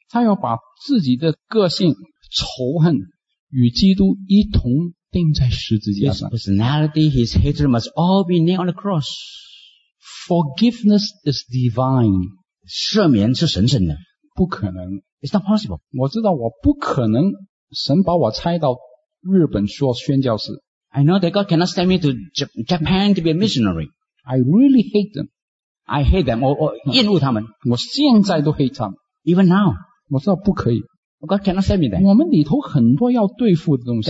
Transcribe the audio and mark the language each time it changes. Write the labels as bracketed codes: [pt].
[zh] 他要把自己的个性仇恨与基督一同钉在十字架上 [en] His personality, his hatred must all be nailed on the cross. Forgiveness is divine. [zh] 赦免是神圣的不可能 [en] It's not possible. [zh] 我知道我不可能神把我差到日本做宣教士 [en] I know that God cannot send me to Japan to be a missionary. I really hate them. I hate them or [zh] 厌恶他们我现在都 hate 他们 [en] Even now. [zh] 我知道不可以 [en] God cannot send me that. [zh] 我们里头很多要对付的东西